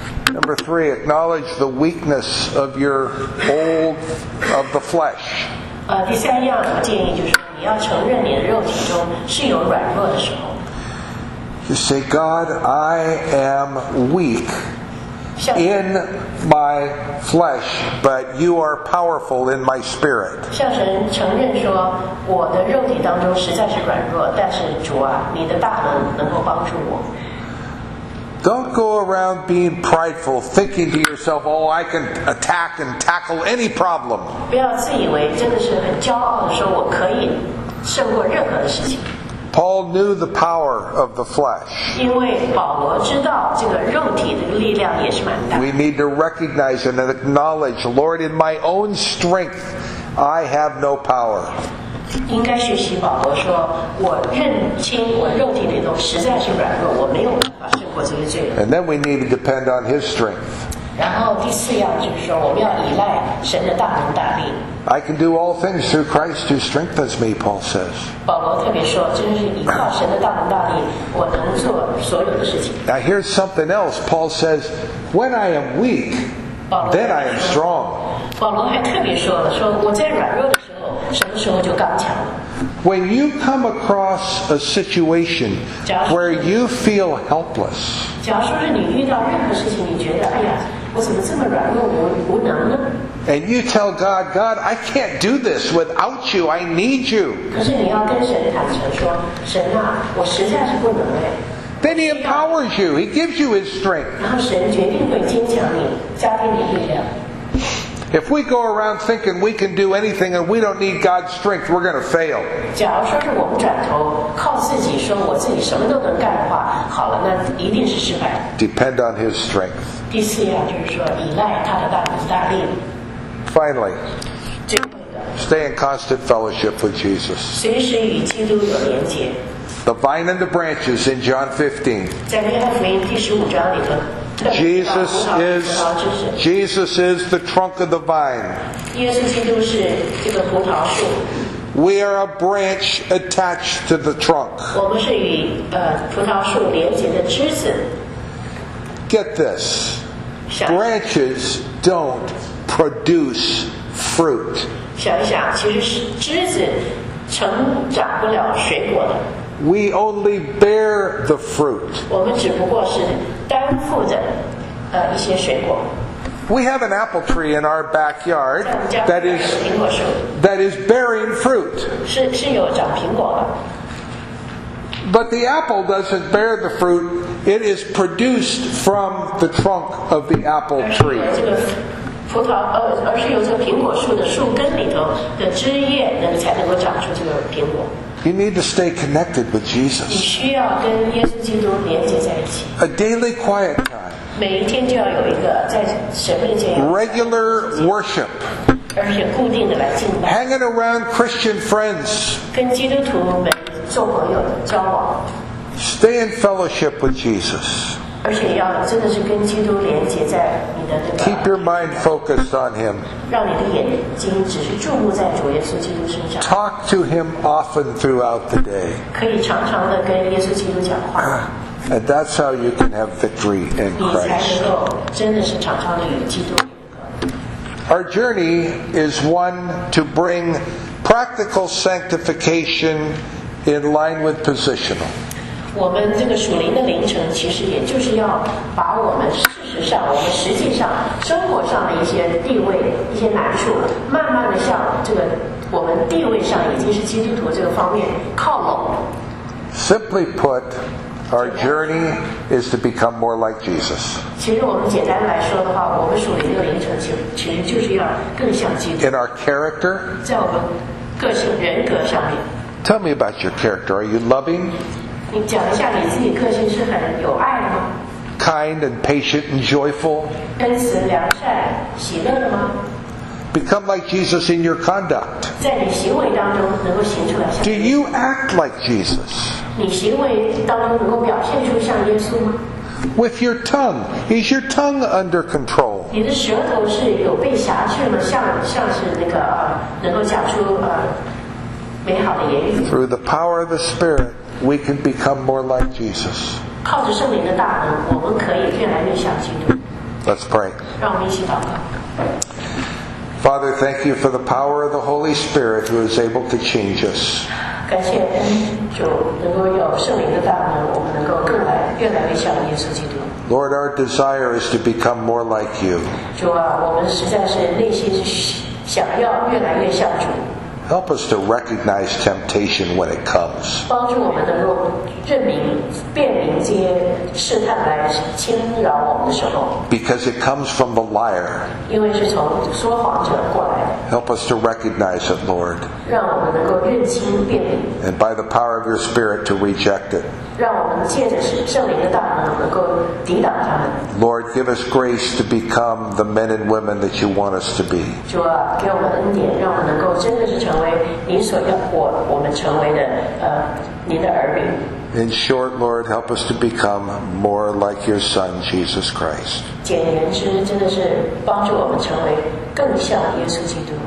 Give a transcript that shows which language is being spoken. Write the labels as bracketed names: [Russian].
[English] Number three, acknowledge the weakness of your old, of the flesh. [Chinese] 第三样我建议就是你要承认你的肉体中是有软弱的时候。 [English] You say, God, I am weak in my flesh, but you are powerful in my spirit. [Chinese] 向神承认说我的肉体当中实在是软弱，但是主啊，你的大能能够帮助我。 [English] Don't go around being prideful, thinking to yourself, oh, I can attack and tackle any problem. [Chinese] 不要自以为真的是很骄傲地说我可以胜过任何的事情。 [English] Paul knew the power of the flesh. [Chinese] 因为保罗知道这个肉体的力量也是蛮大。 [English] We need to recognize and acknowledge, Lord, in my own strength, I have no power. [Chinese] 应该学习保罗说，我认清我肉体里头实在是软弱，我没有办法胜过这些罪人。 [English] And then we need to depend on His strength. [Chinese] 然后第四样就是说，我们要依赖神的大能大力。 [English] I can do all things through Christ who strengthens me, Paul says. [Chinese] 保罗特别说，真是依靠神的大能大力，我能做所有的事情。 [English] Now here's something else. Paul says, when I am weak, then I am strong. [Chinese] 保罗还特别说了，说我在软弱的时候，什么时候就刚强了。 [English] When you come across a situation where you feel helpless, [Chinese] 假如说是你遇到任何事情，你觉得哎呀，我怎么这么软弱，我无能呢？ [English] And you tell God, God, I can't do this without you. I need you. [Chinese] 可是你要跟神坦诚说，神啊，我实在是不能哎。 [English] Then He empowers you. He gives you His strength. [Chinese] 然后神决定会坚强你，加给你力量。 [English] If we go around thinking we can do anything and we don't need God's strength, we're going to fail. [Chinese] 假如说是我们转头靠自己说我自己什么都能干的话，好了，那一定是失败。 [English] Depend on His strength. [Chinese] 第四样就是说依赖他的大能大力。 [English] Finally, stay in constant fellowship with Jesus. [Chinese] 随时与基督有连结。 [English] The vine and the branches in John 15. [Chinese] 在约翰福音第十五章里头。 [English] Jesus is the trunk of the vine. [Chinese] 耶稣基督是这个葡萄树。 [English] We are a branch attached to the trunk. [Chinese] 我们是与葡萄树连结的枝子。 [English] Get this. Branches don't. Produce fruit. [Chinese] 想一想，其实枝子成长不了水果的。 [English] We only bear the fruit. [Chinese] 我们只不过是担负着一些水果。 [English] We have an apple tree in our backyard that is bearing fruit. [Chinese] 是有长苹果的。 [English] But the apple doesn't bear the fruit. It is produced from the trunk of the apple tree. [Chinese] 这个葡萄，而是由这个苹果树的树根里头的枝叶，那个才能够长出这个苹果。 [English] You need to stay connected with Jesus. [Chinese] 你需要跟耶稣基督连接在一起。 [English] A daily quiet time. [Chinese] 每一天就要有一个在神面前。 [English] Regular worship. [Chinese] 而且固定的来敬拜。 [English] Hanging around Christian friends. [Chinese] 跟基督徒们做朋友交往。 [English] Stay in fellowship with Jesus. [Chinese] 而且要真的是跟基督连接在你的这个。 [English] Keep your mind focused on Him. [Chinese] 让你的眼睛只是注目在主耶稣基督身上。 [English] Talk to Him often throughout the day. [Chinese] 可以常常的跟耶稣基督讲话。 [English] And that's how you can have victory in Christ. [Chinese] 你才能够真的是常常的与基督。 [English] Our journey is one to bring practical sanctification in line with positional. [Chinese] 我们这个属灵的灵程其实也就是要把我们事实上我们实际上生活上的一些地位一些难处慢慢的向这个我们地位上已经是基督徒这个方面靠拢 [English] Simply put our journey is to become more like Jesus [Chinese] 其实我们简单来说的话我们属灵的灵程其实就是要更像基督 [English] In our character [Chinese] 在我们个性人格上面 [English] Tell me about your character Are you loving? [Chinese] 你讲一下你自己个性是很有爱的吗 [English] ？Kind and patient and joyful. [Chinese] 恩慈良善喜乐的吗 [English] ？Become like Jesus in your conduct. [Chinese] 在你行为当中能够行出来。 [English] Do you act like Jesus? [Chinese] 你行为当中能够表现出像耶稣吗 [English] ？With your tongue, is your tongue under control? [Chinese] 你的舌头是有被辖制吗？像是那个能够讲出美好的言语。 [English] Through the power of the Spirit. We can become more like Jesus. [Chinese] 靠着圣灵的大能，我们可以越来越像基督。 [English] Let's pray. [Chinese] 让我们一起祷告。 [English] Father, thank you for the power of the Holy Spirit who is able to change us. [Chinese] 感谢主，能够有圣灵的大能，我们能够更来越来越像耶稣基督。 [English] Lord, our desire is to become more like you. [Chinese] 主啊，我们实在是内心是想要越来越像主。 [English] Help us to recognize temptation when it comes. [Chinese] 帮助我们能够认明、辨明这些试探来侵扰我们的时候。 [English] Because it comes from the liar. [Chinese] 因为是从说谎者过来的。 [English] Help us to recognize it, Lord. [Chinese] 让我们能够认清、辨明。 [English] And by the power of your Spirit to reject it. [Chinese] 让我们借着圣灵的大能能够抵挡他们。 [English] Lord, give us grace to become the men and women that you want us to be. [Chinese] 主啊，给我们恩典，让我们能够真的是成为你所要我们成为的你的儿女。 [English] In short, Lord, help us to become more like your Son, Jesus Christ. [Chinese] 简言之，真的是帮助我们成为更像耶稣基督。